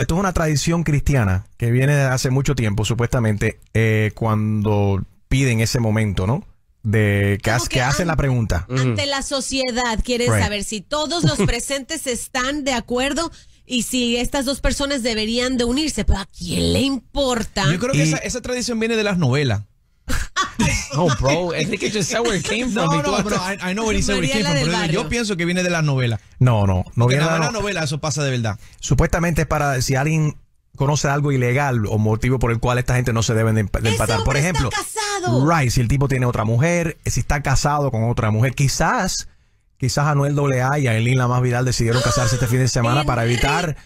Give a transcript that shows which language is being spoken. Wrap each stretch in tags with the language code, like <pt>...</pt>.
<es>Esto es una tradición cristiana que viene de hace mucho tiempo, supuestamente, cuando piden ese momento, ¿no? De que hacen la pregunta. Ante la sociedad quieren saber si todos los presentes están de acuerdo y si estas dos personas deberían de unirse. Pero ¿a quién le importa? Yo creo que esa tradición viene de las novelas.</es> <en>No, bro, I think it's just where it came from.</en> <es>No,</es> <en>bro, I know where it came from,</en> <es>pero yo pienso que viene de las novelas. No viene de las novelas, eso pasa de verdad. Supuestamente es para si alguien conoce algo ilegal o motivo por el cual esta gente no se deben de empatar. Por ejemplo, está casado. Si el tipo tiene otra mujer, si está casado con otra mujer, quizás Anuel AA y Aileen La Más Vidal decidieron casarse este fin de semana para evitar</es>